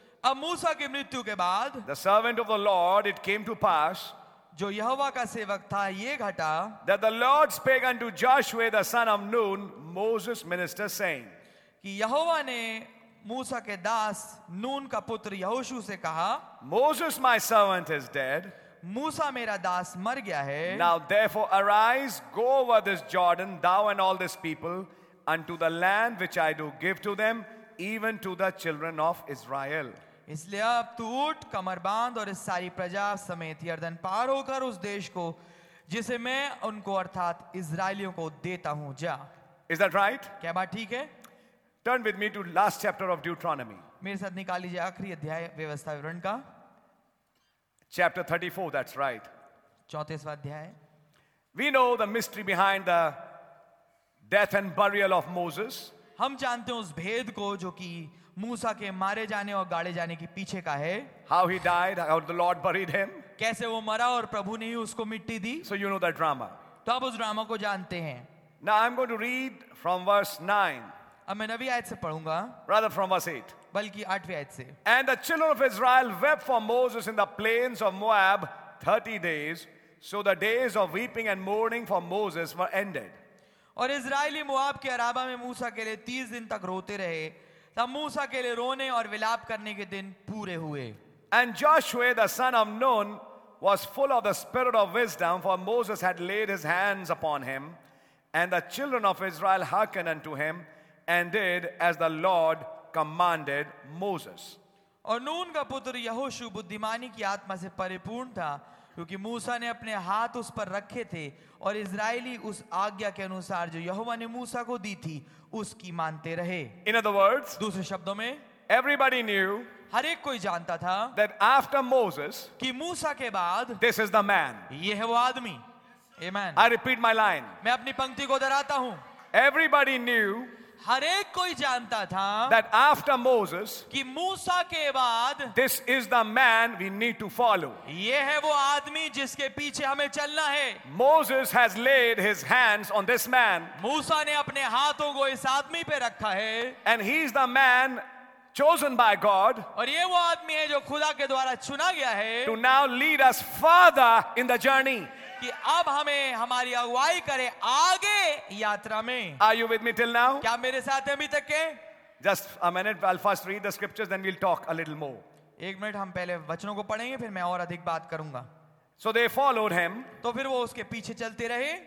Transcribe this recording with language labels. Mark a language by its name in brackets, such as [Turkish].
[Hindi] अब मूसा की मृत्यु के बाद [English] the servant of the lord it came to pass [Hindi] जो यहोवा का सेवक था ये घटा [English] that the lord spake unto Joshua the son of Nun Moses minister saying [Hindi] कि यहोवा ने मूसा के दास नून का पुत्र यहोशू से कहा, [English] Moses my servant is dead. [Hindi] मूसा मेरा दास मर गया है. [English] Now therefore arise, go over this Jordan, thou and all this people, unto the land which I do give to them, even to the children of Israel. [Hindi] इसलिए अब तू उठ, कमर बांध और इस सारी प्रजा समेत यर्दन पार होकर उस देश को जिसे मैं उनको अर्थात इज़राइलियों को देता हूं जा. [English] Is that right? [Hindi] क्या बात ठीक है? [English] Turn with me to last chapter of Deuteronomy. [Hindi] मेरे साथ निकाल लीजिए आखिरी अध्याय व्यवस्था विवरण का. [English] Chapter 34, that's right. [Hindi] 34वां अध्याय. [English] We know the mystery behind the death and burial of Moses. [Hindi] हम जानते हैं उस भेद को जो कि मूसा के मारे जाने और गाड़े जाने के पीछे का है. [English] How he died, how the Lord buried him. [Hindi] कैसे वो मरा और प्रभु ने ही उसको मिट्टी दी. [English] So you know the drama. [Hindi] तो आप उस ड्रामा को जानते हैं. [English] Now I'm going to read from verse 9. [Hindi] अब मैं नवी आयत से पढ़ूंगा. [English] Rather from verse 8. [Hindi] बल्कि आठवीं आयत से. [English] And the children of Israel wept for Moses in the plains of Moab 30 days. So the days of weeping and mourning for Moses were ended. [Hindi] और इज़राइली मोआब के अराबा में मूसा के लिए 30 दिन तक रोते रहे. तब मूसा के लिए रोने और विलाप करने के दिन पूरे हुए. [English] And Joshua the son of Nun was full of the spirit of wisdom, for Moses had laid his hands upon him, and the children of Israel hearkened unto him, and did as the Lord commanded Moses. [Hindi] और नून का पुत्र यहोशू बुद्धिमानी की आत्मा से परिपूर्ण था, क्योंकि मूसा ने अपने हाथ उस पर रखे थे और इज़राइली उस आज्ञा के अनुसार जो यहोवा ने मूसा को दी थी उसकी मानते रहे. [English] In other words, [Hindi] दूसरे शब्दों में, [English] everybody knew, [Hindi] हर एक कोई जानता था, [English] that after Moses, [Hindi] कि मूसा के बाद, [English] this is the man, [Hindi] यह है वो आदमी. Amen. [English] I repeat my line. [Hindi] मैं अपनी पंक्ति को दोहराता हूं. [English] Everybody knew, [Hindi] हर एक कोई जानता था, [English] that after Moses, [Hindi] कि मूसा के बाद, [English] this is the man we need to follow. [Hindi] ये है वो आदमी जिसके पीछे हमें चलना है. [English] Moses has laid his hands on this man. [Hindi] मूसा ने अपने हाथों को इस आदमी पे रखा है. [English] And he is the man chosen by God. [Hindi] और ये वो आदमी है जो खुदा के द्वारा चुना गया है. [English] To now lead us further in the journey. [Hindi] कि अब हमें हमारी अगुवाई करे आगे यात्रा में. [English] Are you with me till now? [Hindi] क्या मेरे साथ हैं अभी तक के? [English] Just a minute. I'll first read the scriptures, then we'll talk a little more. [Hindi] एक मिनट हम पहले वचनों को पढ़ेंगे, फिर मैं और अधिक बात करूंगा. [English] So they followed him. [Hindi] तो फिर वो उसके पीछे चलते रहे.